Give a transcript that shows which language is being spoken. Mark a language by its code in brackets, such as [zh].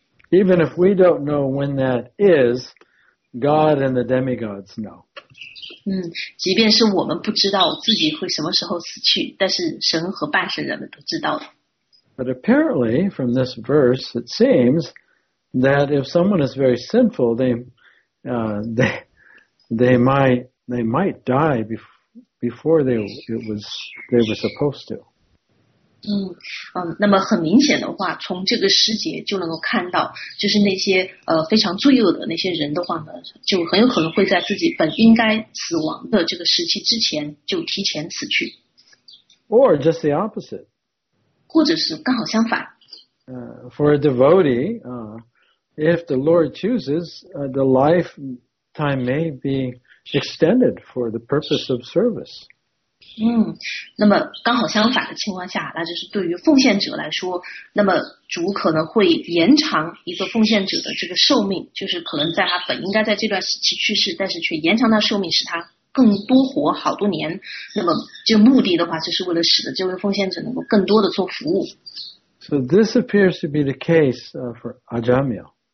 [en] Even if we don't know when that is, God and the demigods know. [zh] 即便是我们不知道自己会什么时候死去，但是神和半神人们都知道的。 [en] But apparently from this verse it seems that if someone is very sinful, they might die before they were supposed to. [zh] 那么很明显的话，从这个诗节就能够看到，就是那些非常罪恶的那些人的话呢，就很有可能会在自己本应该死亡的这个时期之前就提前死去。 [en] Or just the opposite. [zh] 或者是刚好相反。 [en] For a devotee, if the Lord chooses, the lifetime may be extended for the purpose of service. [zh] 那么刚好相反的情况下，那就是对于奉献者来说，那么主可能会延长一个奉献者的这个寿命，就是可能在他本应该在这段时期去世，但是却延长他寿命，使他更多活好多年。那么这个目的的话，就是为了使得这位奉献者能够更多的做服务。 [en] So this appears to be the case for Ajamil.